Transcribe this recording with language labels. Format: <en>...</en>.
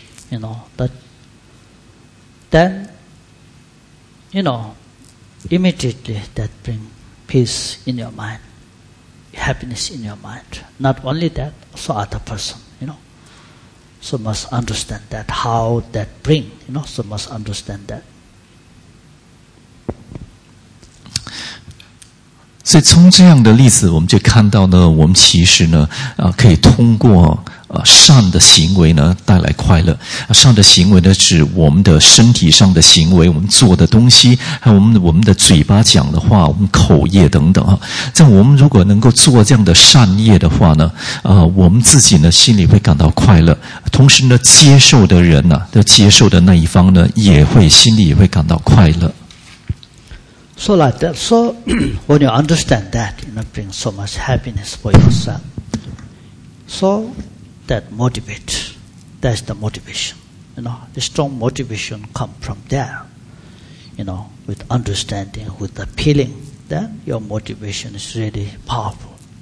<en>You know, that then, you know, immediately that bring peace in your mind, happiness in your mind. Not only that, so other person, you know. So must understand that, how that bring, you know, so must understand that.</en> <zh>所以从这样的例子，我们就看到呢，我们其实呢，可以通过善的行为呢带来快乐。善的行为呢，指我们的身体上的行为，我们做的东西，还有我们的嘴巴讲的话，我们口业等等啊。在我们如果能够做这样的善业的话呢，我们自己呢心里会感到快乐，同时呢，接受的人呢、接受的那一方呢，也会心里也会感到快乐。</zh> <en>So like that. So when you understand that, you know, bring so much happiness for yourself. So that motivates. That's the motivation. You know, the strong motivation comes from there. You know, with understanding, with the feeling, then your motivation is really powerful.</en>